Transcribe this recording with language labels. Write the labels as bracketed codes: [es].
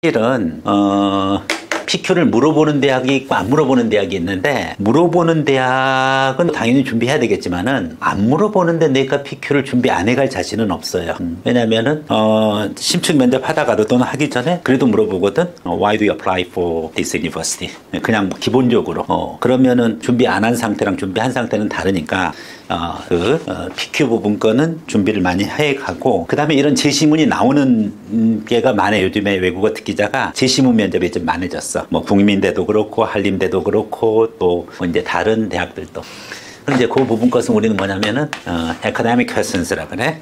[ko] 사실은 PQ를 물어보는 대학이 있고 안 물어보는 대학이 있는데 물어보는 대학은 당연히 준비해야 되겠지만은 안 물어보는데 내가 PQ를 준비 안 해갈 자신은 없어요. 왜냐면은 심층 면접 하다가도 또는 하기 전에 그래도 물어보거든. [en] Why do you apply for this university? [ko] 그냥 뭐 기본적으로. 그러면은 준비 안한 상태랑 준비한 상태는 다르니까 PQ 부분 거는 준비를 많이 해가고 그다음에 이런 제시문이 나오는 게가 많아요. 요즘에 외국어 특기자가 제시문 면접이 좀 많아졌어. 뭐 국민대도 그렇고 한림대도 그렇고 또 이제 다른 대학들도 이제 그 부분 것은 우리는 뭐냐면은 academic questions라 그래.